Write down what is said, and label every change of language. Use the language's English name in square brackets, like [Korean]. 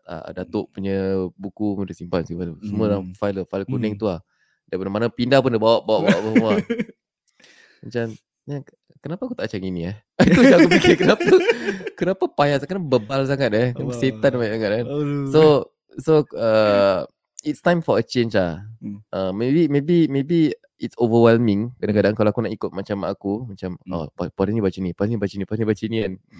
[Malay] Datuk punya buku pun dia simpan. Semua dalam file kuning tu lah. Daripada mana pindah pun dia bawa semua. Macam kenapa aku tak macam gini eh? Itu yang aku fikir, kenapa payah sangat, kenapa bebal sangat eh? Allah. Setan banyak sangat kan. [English] So it's time for a change lah. Maybe it's overwhelming. [Malay] Kadang-kadang kalau aku nak ikut macam mak aku, macam pada ni baca ni, pada ni baca ni kan.